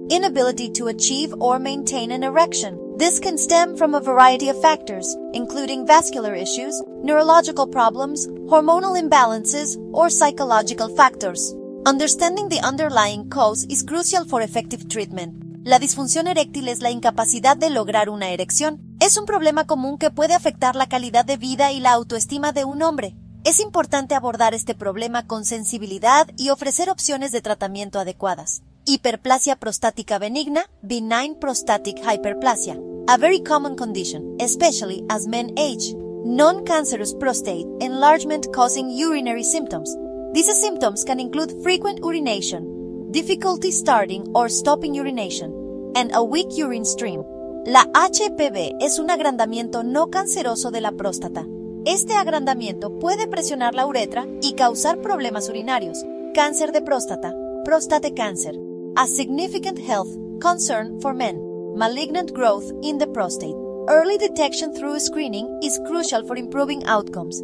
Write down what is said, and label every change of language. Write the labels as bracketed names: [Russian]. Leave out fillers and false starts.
[English] Inability to achieve or maintain an erection. This can stem from a variety of factors, including vascular issues, neurological problems, hormonal imbalances, or psychological factors. Understanding the underlying cause is crucial for effective treatment. [Spanish] La disfunción eréctil es la incapacidad de lograr una erección. Es un problema común que puede afectar la calidad de vida y la autoestima de un hombre. Es importante abordar este problema con sensibilidad y ofrecer opciones de tratamiento adecuadas. [English] Hiperplasia prostática benigna, benign prostatic hyperplasia, a very common condition, especially as men age. Non-cancerous prostate enlargement causing urinary symptoms. These symptoms can include frequent urination, difficulty starting or stopping urination, and a weak urine stream. [Spanish] La HPV es un agrandamiento no canceroso de la próstata. Este agrandamiento puede presionar la uretra y causar problemas urinarios. [English] Cáncer de próstata, prostate cancer. A significant health concern for men. Malignant growth in the prostate. Early detection through screening is crucial for improving outcomes.